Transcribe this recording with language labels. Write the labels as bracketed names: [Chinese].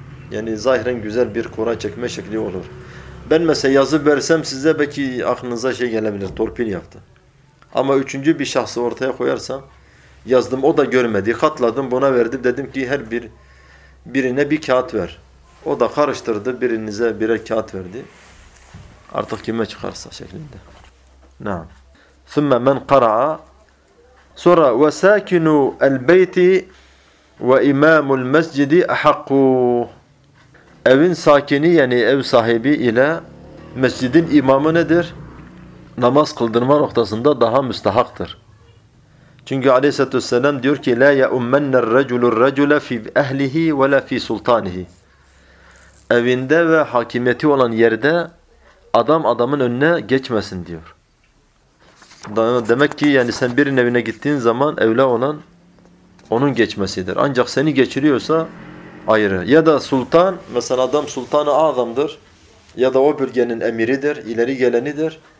[Turkish] Yani zahiren güzel bir kura çekme şekli olur. Ben mesela yazı versem size belki aklınıza şey gelebilir, torpil yaptı. Ama üçüncü bir şahsı ortaya koyarsam, yazdım o da görmedi, katladım buna verdim, dedim ki her birine bir kağıt ver. O da karıştırdı, birinize birer kağıt verdi. Artık kime çıkarsa şeklinde. Naam. [Arabic] ثُمَّ مَنْ قَرَعَى [Turkish] sonra [Arabic] وَسَاكِنُوا الْبَيْتِ وَاِمَامُ الْمَسْجِدِ اَحَقُّ [Turkish] evin sakini yani ev sahibi ile mescidin imamı nedir? Namaz kıldırma noktasında daha müstahaktır. Çünkü Aleyhisselatü Vesselam diyor ki [Arabic] لَا يَأُمَّنَّ الرَّجُلُ الرَّجُلَ فِي اَهْلِهِ وَلَا فِي سُلْطَانِهِ. [Turkish] Evinde ve hakimiyeti olan yerde adam adamın önüne geçmesin diyor. Demek ki yani sen birinin evine gittiğin zaman evli olan onun geçmesidir. Ancak seni geçiriyorsa ayrı. Ya da sultan, mesela adam sultanı azamdır ya da o bölgenin emiridir, ileri gelenidir.